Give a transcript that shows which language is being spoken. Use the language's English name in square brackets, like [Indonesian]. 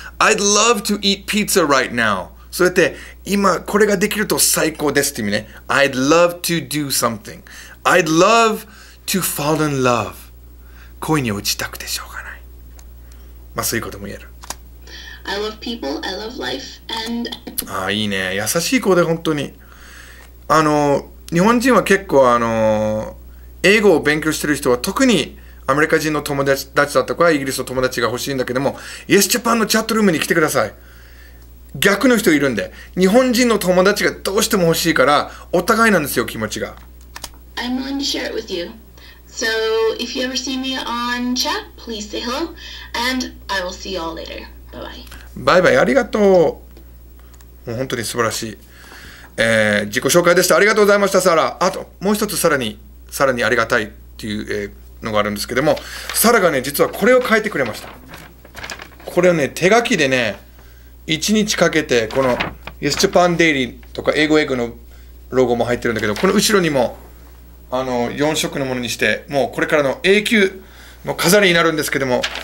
[English] I'd love to eat pizza right now. [Japanese] そうやって今これができると最高ですって意味ね。 [English] I'd love to do something. I'd love to fall in love. 恋に落ちたくてしょうがない。まあそういうことも言える。 I love people. I love life. And [Japanese] ああいいね。優しい子で本当に。日本人は結構英語を勉強してる人は特にアメリカ人の友達だったとかイギリスの友達が欲しいんだけども、Yes Japan のチャットルームに来てください。逆の人いるんで、日本人の友達がどうしても欲しいから、お互いなんですよ、気持ちが。 [English] I'm willing to share it with you. So, if you ever see me on chat, please say hello, and I will see you all later. Bye-bye. [Japanese] バイバイ、ありがとう。もう本当に素晴らしい、自己紹介でした。ありがとうございました、サラ。あと、もう一つさらにありがたいっていう、のがあるんですけども、サラがね、実はこれを書いてくれました。これをね、手書きでね、1日かけて、この Yes Japan Daily とか英語英語のロゴも入ってるんだけど、この後ろにも4色のものにして、もうこれからの永久の飾りになるんですけども、